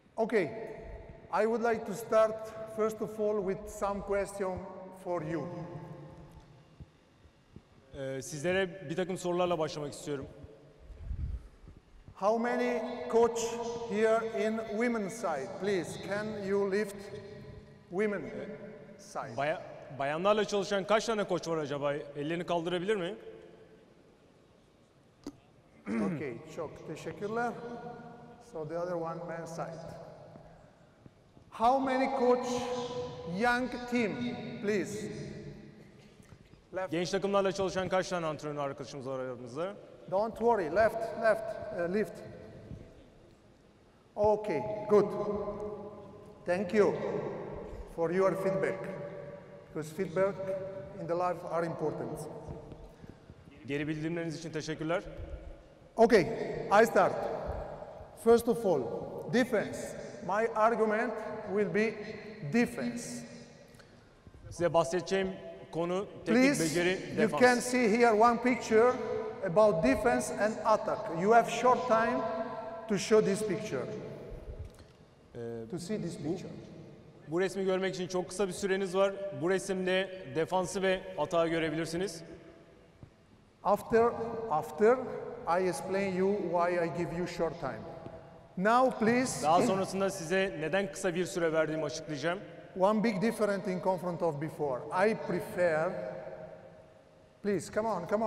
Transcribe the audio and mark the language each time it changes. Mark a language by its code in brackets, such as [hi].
[en] Okay, I would like to start first of all with some question for you. [tr] Sizlere bir takım sorularla başlamak istiyorum. [en] How many coach here in women's side? Please, can you lift women side? [tr] Bayanlarla çalışan kaç tane koç var acaba? Ellerini kaldırabilir mi? Okay, çok teşekkürler. [en] So the other one, men's side. How many coach young team, please? Left. [tr] Genç takımlarla çalışan kaç tane antrenör arkadaşımız var aramızda? [en] Don't worry, lift. Okay, good. Thank you for your feedback. Because feedback in the life are important. [tr] Geri bildirimleriniz için teşekkürler. [en] Okay, I start. First of all, defense. My argument will be defense. [tr] Size bahsedeceğim konu teknik beceri, defans. [en] Please, you can see here one picture about defense and attack. You have short time to show this picture. To see this picture. [tr] Bu resmi görmek için çok kısa bir süreniz var. Bu resimde defansı ve atağı görebilirsiniz. [en] After I explain you why I give you short time. Now please. [tr] Daha sonrasında size neden kısa bir süre verdiğimi açıklayacağım. [en] One big difference in confront of before. I prefer. Please, come on.